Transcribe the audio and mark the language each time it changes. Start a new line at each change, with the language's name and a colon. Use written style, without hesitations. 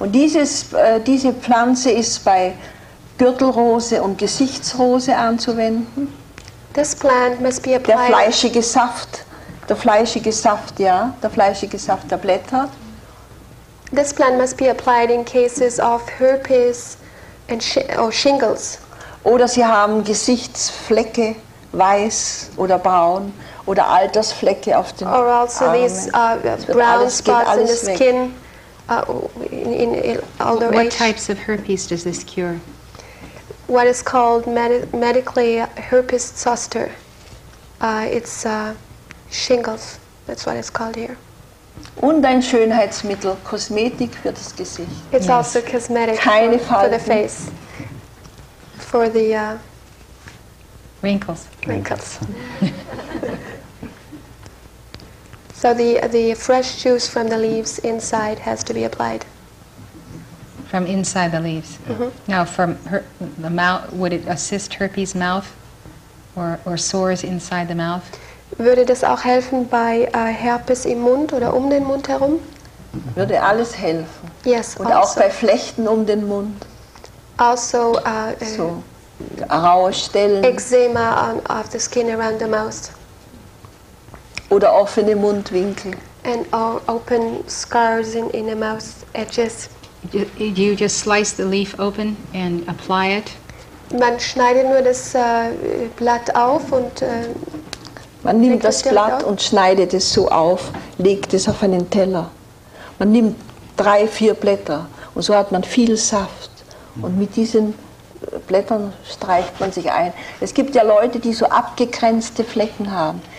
German: Und dieses, diese Pflanze ist bei Gürtelrose und Gesichtsrose anzuwenden.
English: This plant must be applied.
German: Der fleischige Saft, ja, der fleischige Saft der Blätter.
English: This plant must be applied in cases of herpes. And shingles.
German: Oder sie haben Gesichtsflecke, weiß oder braun, oder Altersflecke auf den Armen.
English: Or also these brown spots in the skin. What types of herpes does this cure? What is called medically herpes zoster. It's shingles. That's what it's called here.
German: Und ein Schönheitsmittel, Kosmetik für das Gesicht.
English: It's also cosmetic for the face. For the wrinkles. So the fresh juice from the leaves inside has to be applied. From inside the leaves. Mm-hmm. Now from the mouth, would it assist herpes mouth or sores inside the mouth?
German: Würde das auch helfen bei Herpes im Mund oder um den Mund herum? Würde alles helfen.
English: Yes,
German: und also. Auch bei Flechten um den Mund. Also so raue Stellen.
English: Eczema of the skin around the mouth.
German: Oder offene Mundwinkel.
English: And or open scars in the mouth edges. Do you just slice the leaf open and apply it?
German: Man schneidet nur das Blatt auf und man nimmt das Blatt und schneidet es so auf, legt es auf einen Teller. Man nimmt 3-4 Blätter und so hat man viel Saft. Und mit diesen Blättern streicht man sich ein. Es gibt ja Leute, die so abgegrenzte Flecken haben.